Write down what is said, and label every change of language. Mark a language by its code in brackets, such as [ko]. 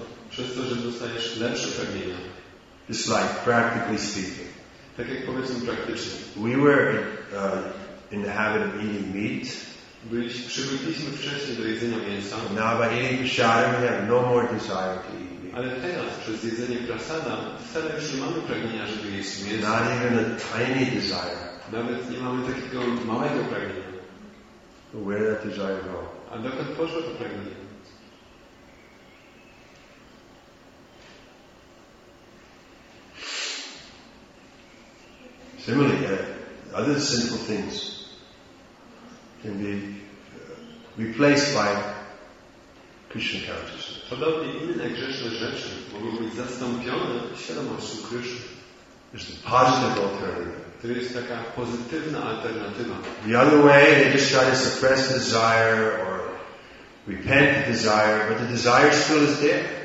[pl] Przez to, że dostajesz lepsze pragnienie. [en] Just like practically speaking. [pl] Tak jak powiedzmy praktycznie. [en] We were in the habit of eating meat. [pl] Przywykliśmy wcześniej do jedzenia mięsa. [en] Now by eating prasadam, we have no more desire to eat meat. [pl] Ale teraz przez jedzenie prasada wcale już nie mamy pragnienia, żeby jeść mięso. [en] Not even a tiny desire. [pl] Nawet nie mamy takiego małego pragnienia. [en] But where did that desire go? [pl] A dokąd poszło to pragnienie? [en] Similarly, other sinful things can be replaced by Krishna consciousness. [pl] Podobnie inne grzeszne rzeczy mogą być zastąpione świadomością Krishna. [en] It's a positive alternative. [pl] To jest taka pozytywna alternatywa. [en] The other way, they just try to suppress desire or repent the desire, but the desire still is there.